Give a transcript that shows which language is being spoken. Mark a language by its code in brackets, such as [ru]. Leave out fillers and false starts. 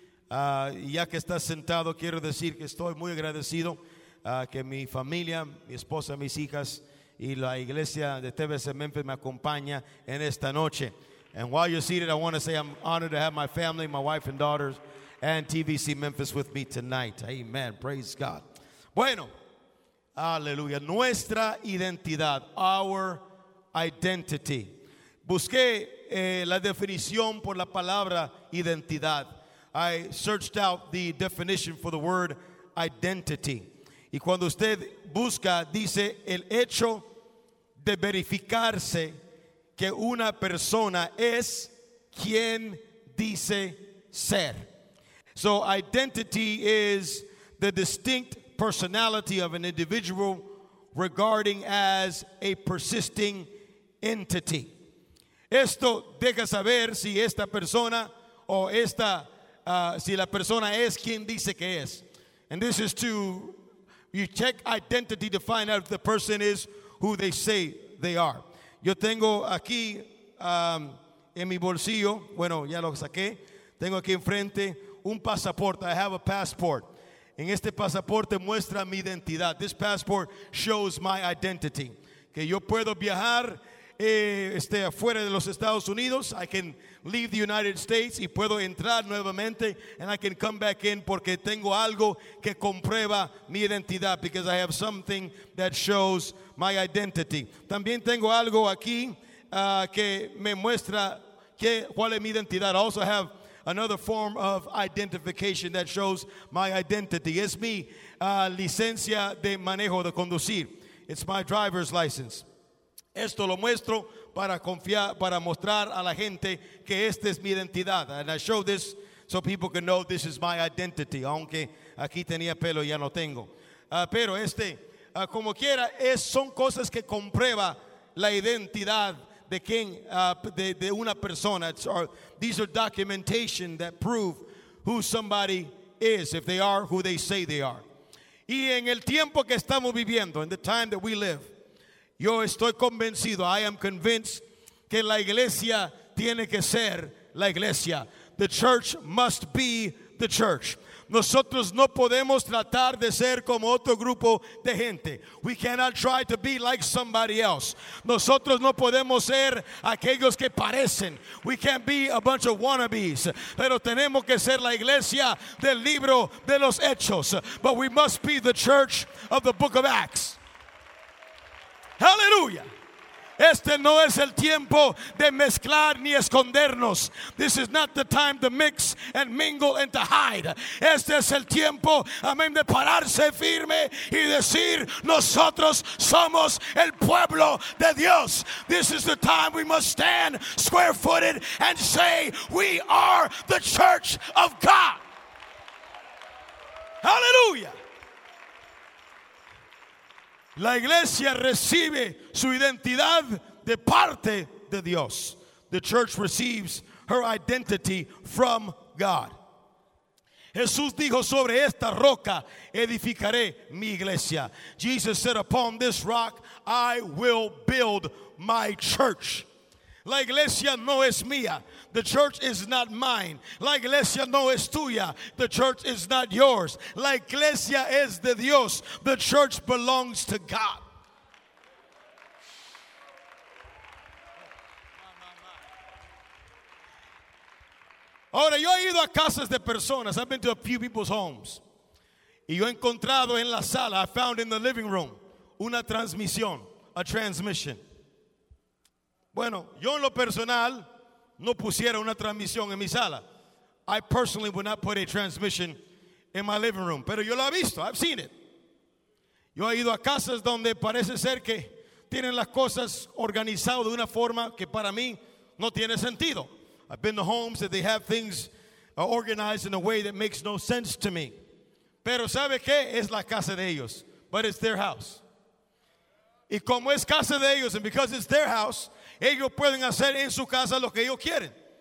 [es] Ya que estás sentado, quiero decir que estoy muy agradecido que mi familia, mi esposa, mis hijas y la iglesia de TVC Memphis me acompaña en esta noche. [en] And while you're seated, I want to say I'm honored to have my family, my wife and daughters, and TVC Memphis with me tonight. Amen. Praise God. [es] Bueno, aleluya. Nuestra identidad, [en] our identity. [es] Busqué la definición por la palabra identidad. [en] I searched out the definition for the word identity. [es] Y cuando usted busca, dice el hecho de verificarse que una persona es quien dice ser. [en] So identity is the distinct personality of an individual regarding as a persisting entity. [es] Esto deja saber si esta persona o esta si la persona es quien dice que es. [en] And this is to, you check identity to find out if the person is who they say they are. [es] Yo tengo aquí en mi bolsillo, bueno, ya lo saqué, tengo aquí enfrente un pasaporte. [en] I have a passport. [es] En este pasaporte muestra mi identidad. [en] This passport shows my identity. [es] Que yo puedo viajar afuera de los Estados Unidos. [en] I can leave the United States [es] y puedo entrar nuevamente. [en] And I can come back in [es] porque tengo algo que comprueba mi identidad. [en] Because I have something that shows my identity. [es] También tengo algo aquí que me muestra cuál es mi identidad. [en] I also have another form of identification that shows my identity. [es] Es mi licencia de manejo, de conducir. [en] It's my driver's license. [es] Esto lo muestro para confiar, para mostrar a la gente que esta es mi identidad. [en] And I show this so people can know this is my identity. [es] Aunque aquí tenía pelo, ya no tengo. Pero como quiera, son cosas que comprueba la identidad de quien, de una persona. [en] These are documentation that prove who somebody is, if they are who they say they are. [es] Y en el tiempo que estamos viviendo, [en] in the time that we live, [es] yo estoy convencido, [en] I am convinced, [es] que la iglesia tiene que ser la iglesia. [en] The church must be the church. [es] Nosotros no podemos tratar de ser como otro grupo de gente. [en] We cannot try to be like somebody else. [es] Nosotros no podemos ser aquellos que parecen. [en] We can't be a bunch of wannabes. [es] Pero tenemos que ser la iglesia del libro de los hechos. [en] But we must be the church of the book of Acts. Hallelujah. [es] Este no es el tiempo de mezclar ni escondernos. [en] This is not the time to mix and mingle and to hide. [es] Este es el tiempo, amén, de pararse firme y decir, nosotros somos el pueblo de Dios. [en] This is the time we must stand square-footed and say, we are the church of God. Hallelujah. [es] La iglesia recibe su identidad de parte de Dios. [en] The church receives her identity from God. [es] Jesús dijo, sobre esta roca edificaré mi iglesia. [en] Jesus said, upon this rock I will build my church. [es] La iglesia no es mía. [en] The church is not mine. [es] La iglesia no es tuya. [en] The church is not yours. [es] La iglesia es de Dios. [en] The church belongs to God. [es] Ahora, yo he ido a casas de personas. [en] I've been to a few people's homes. [es] Y yo he encontrado en la sala, [en] I found in the living room, [es] una transmisión, [en] a transmission. [es] Bueno, yo en lo personal no pusiera una transmisión en mi sala. [en] I personally would not put a transmission in my living room. [es] Pero yo lo he visto. [en] I've seen it. [es] Yo he ido a casas donde parece ser que tienen las cosas organizadas de una forma que para mí no tiene sentido. [en] I've been to homes that they have things organized in a way that makes no sense to me. [es] Pero ¿sabe qué? Es la casa de ellos. [en] But it's their house. [es] Y como es casa de ellos [en] and because it's their house, [es] ellos pueden hacer en su casa lo que ellos quieren.